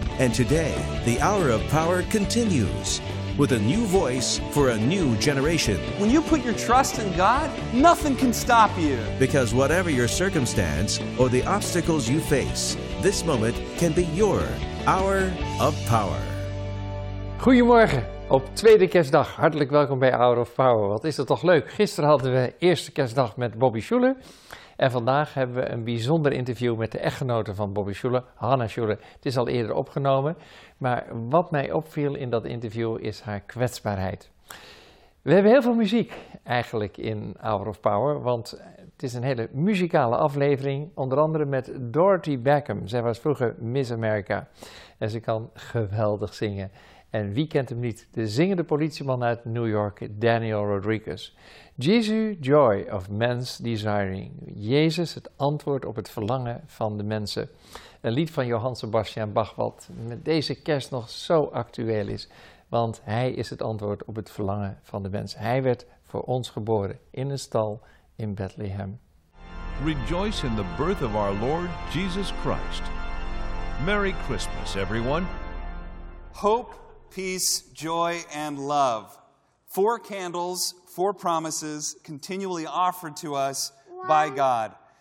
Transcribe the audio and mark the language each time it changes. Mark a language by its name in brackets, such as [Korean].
[English] And today, the Hour of Power continues with a new voice for a new generation. When you put your trust in God, nothing can stop you. Because whatever your circumstance or the obstacles you face, this moment can be your Hour of Power. [Dutch] Goedemorgen. Op tweede kerstdag, hartelijk welkom bij Hour of Power. Wat is dat toch leuk. Gisteren hadden we eerste kerstdag met Bobby Schuller. En vandaag hebben we een bijzonder interview met de echtgenote van Bobby Schuller, Hannah Schuller. Het is al eerder opgenomen. Maar wat mij opviel in dat interview is haar kwetsbaarheid. We hebben heel veel muziek eigenlijk in Hour of Power. Want het is een hele muzikale aflevering. Onder andere met Dorothy Beckham. Zij was vroeger Miss America. En ze kan geweldig zingen. En wie kent hem niet? De zingende politieman uit New York, Daniel Rodriguez. [English] Jesus, joy of man's desiring. [Dutch] Jezus, het antwoord op het verlangen van de mensen. Een lied van Johann Sebastian Bach, wat met deze kerst nog zo actueel is. Want hij is het antwoord op het verlangen van de mens. Hij werd voor ons geboren in een stal in Bethlehem. [English] Rejoice in the birth of our Lord Jesus Christ. Merry Christmas, everyone. Hope, peace, joy, and love. Four candles, four promises continually offered to us by God.